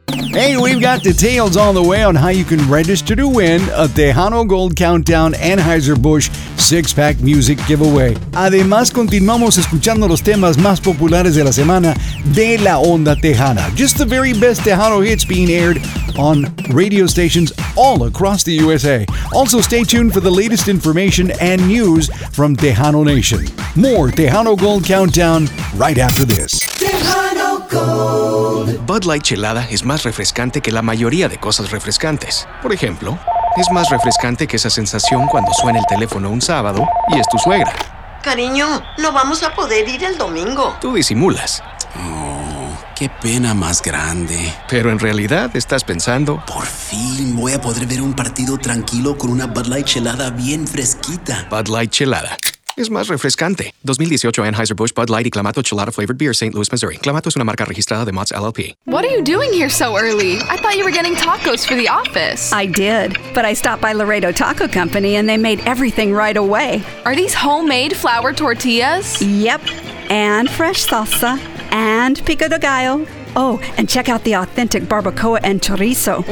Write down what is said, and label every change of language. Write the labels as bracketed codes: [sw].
[en] Hey, we've got details on the way on how you can register to win a Tejano Gold Countdown Anheuser-Busch six-pack music giveaway. [es] Además, continuamos escuchando los temas más populares de la semana de La Onda Tejana. [en] Just the very best Tejano hits being aired on radio stations all across the USA. Also, stay tuned for the latest information and news from Tejano Nation. More Tejano Gold Countdown right after this. Tejano Gold. [es] Bud Light Chelada is más refrescante que la mayoría de cosas refrescantes. Por ejemplo, es más refrescante que esa sensación cuando suena el teléfono un sábado y es tu suegra. Cariño, no vamos a poder ir el domingo. Tú disimulas. Oh, qué pena más grande. Pero en realidad estás pensando... Por fin voy a poder ver un partido tranquilo con una Bud Light Chelada bien fresquita. Bud Light Chelada. Es más refrescante. 2018 Anheuser-Busch Bud Light y Clamato Chelada Flavored Beer, St. Louis, Missouri. Clamato es una marca registrada de Mott's LLP. [en] What are you doing here so early? I thought you were getting tacos for the office. I did, but I stopped by Laredo Taco Company and they made everything right away. Are these homemade flour tortillas? Yep, and fresh salsa, and pico de gallo. Oh, and check out the authentic barbacoa and chorizo.